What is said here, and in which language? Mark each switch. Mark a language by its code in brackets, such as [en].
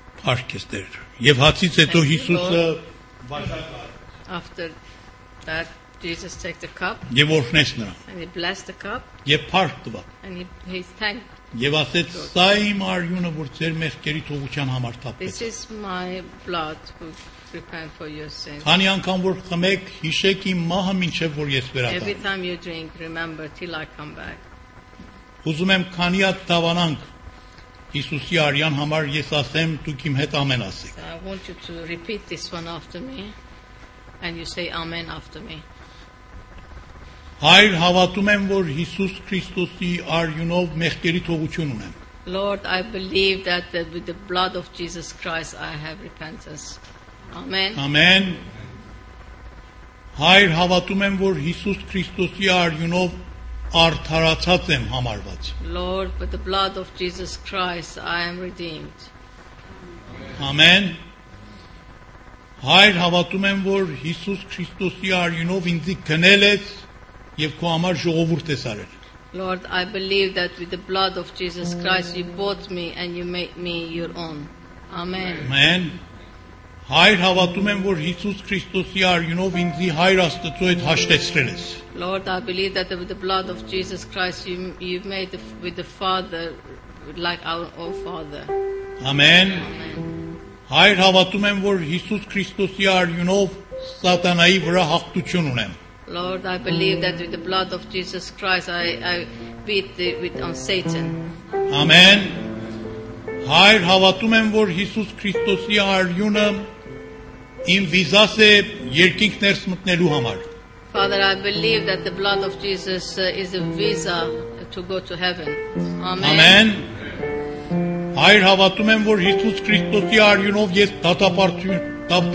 [hy] Արքեստեր եւ հացից հետո Հիսուսը վաճառք [en] After that Jesus took the cup [hy] եւ օրհնեց նրան [en] And he blessed the cup [hy] եւ փառք տվա [en] And he thanked [hy] եւ ասեց Սա իմ արյունը որ ձեր մեղքերի թողության համար տապեց [en] This is my blood which prepared for your sins [hy] Քանի անգամ որ խմեք հիշեք իմ մահը մինչեւ որ ես վերադառնամ [en] Every time you drink remember till I come back [hy] Ուզում եմ քանի հատ դավանանք Հիսուսի արյան համար ես ասեմ դուք իմ հետ ամեն ասեք. [en] I want you to repeat this one after me and you say amen after me. [hy] Հայր, հավատում եմ, որ Հիսուս Քրիստոսի արյունով մեղքերի թողություն ունեմ. [en] Lord, I believe that with the blood of Jesus Christ I have repentance. Amen. Amen. [hy] Հայր, հավատում եմ, որ Հիսուս Քրիստոսի արյունով արդարացած եմ համարված [en] Lord by the blood of Jesus Christ I am redeemed [hy] Amen Հայր հավատում եմ որ Հիսուս Քրիստոսի արյունով ինձ գնել ես եւ քո համար ժողովուրդ ես արել [en] Lord I believe that with the blood of Jesus Christ you bought me and you made me your own Amen [hy] Amen Հայր հավատում եմ որ Հիսուս Քրիստոսի արյունով ինձ հայր Աստծո հետ հաշտեցրել ես [en] Lord, I believe that with the blood of Jesus Christ, you've made with the Father like our own Father. Amen. [hy] Հայր, հավատում եմ, որ Հիսուս Քրիստոսի արյունով սատանայի վրա հաղթություն ունեմ. [en] Lord, I believe that with the blood of Jesus Christ, I beat on Satan. Amen. [hy] Հայր, հավատում եմ, որ Հիսուս Քրիստոսի արյունը իմ վիզաս է երկինք ներս մտնելու համար. [en] Father, I believe that the blood of Jesus is a visa to go to heaven. Amen. [hy] Հայր, հավատում եմ, որ Հիսուս Քրիստոսի արյունով ես դատապարտություն